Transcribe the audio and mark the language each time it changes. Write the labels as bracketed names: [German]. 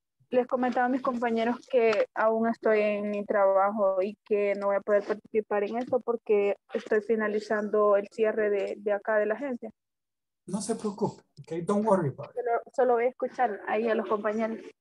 [Spanish] Les comentaba a mis compañeros que aún estoy en mi trabajo y que no voy a poder participar en eso porque estoy finalizando el cierre de acá de la agencia. No se preocupe, [English] okay, don't worry about it. [Spanish] Solo voy a escuchar ahí a los compañeros.